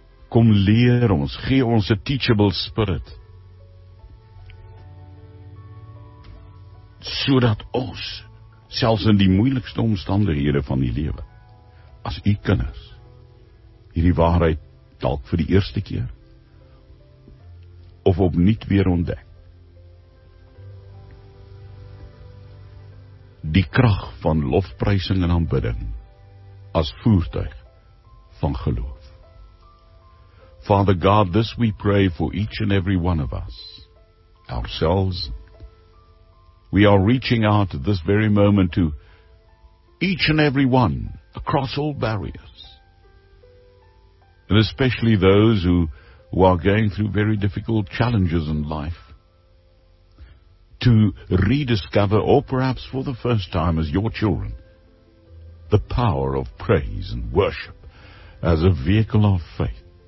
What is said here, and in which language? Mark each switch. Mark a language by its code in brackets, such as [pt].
[af] Kom leer ons, gee ons 'n [en] teachable spirit, [af] sodat ons, selfs in die moeilikste omstandighede van die lewe, as u kinders, hierdie waarheid dalk vir die eerste keer, of opnuut weer ontdek. Die krag van lofprysing en aanbidding as voertuig van geloof. [en] Father God, this we pray for each and every one of us, ourselves. We are reaching out at this very moment to each and every one across all barriers, and especially those who are going through very difficult challenges in life, to rediscover, or perhaps for the first time as your children, the power of praise and worship as a vehicle of faith.